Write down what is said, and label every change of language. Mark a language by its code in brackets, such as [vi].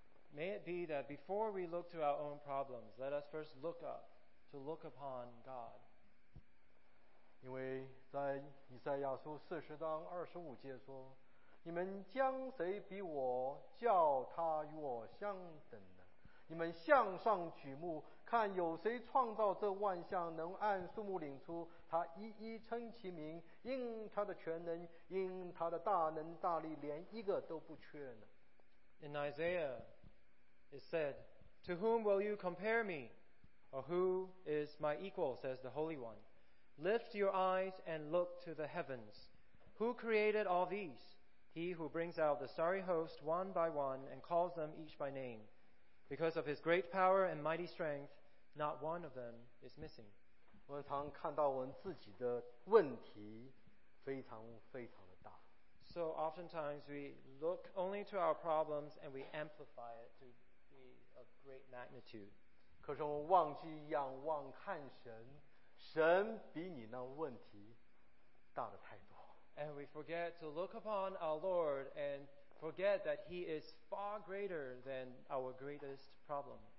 [en] May it be that before we look to our own problems, let us first look up, to look upon God. [zh] 因为在以赛亚书40章25节说, 你们将谁比我叫他与我相等呢? 你们向上举目, 看有谁创造这万象, 能按数目领出, 他一一称其名, 因他的全能, 因他的大能大力, 连一个都不缺呢? [en] In Isaiah, it said, To whom will you compare me? Or who is my equal, says the Holy One. Lift your eyes and look to the heavens. Who created all these? He who brings out the starry host one by one and calls them each by name. Because of his great power and mighty strength, not one of them is missing. [zh] 我常看到我们自己的问题非常非常的大。 [en] So oftentimes we look only to our problems and we amplify it to magnitude. And we forget to look upon our Lord and forget that He is far greater than our greatest problem.